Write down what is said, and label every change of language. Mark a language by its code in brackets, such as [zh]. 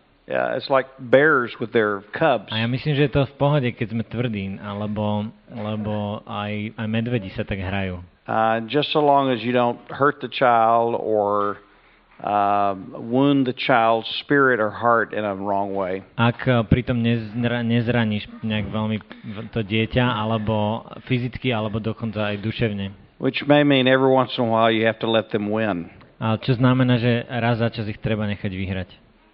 [en] Yeah, it's like bears with their cubs. [sk] A ja myslím, že je to v pohode, keď sme tvrdí, alebo aj medvedi sa tak hrajú. [en] Just so long as you don't hurt the child or wound the child's spirit or heart in a wrong way. [sk] Ak pritom nezraníš nejak veľmi to dieťa, alebo fyzicky, alebo dokonca aj duševne. [en] Which may mean every once in a while you have to let them win. [sk] A čo znamená, že raz za čas ich treba nechať vyhrať.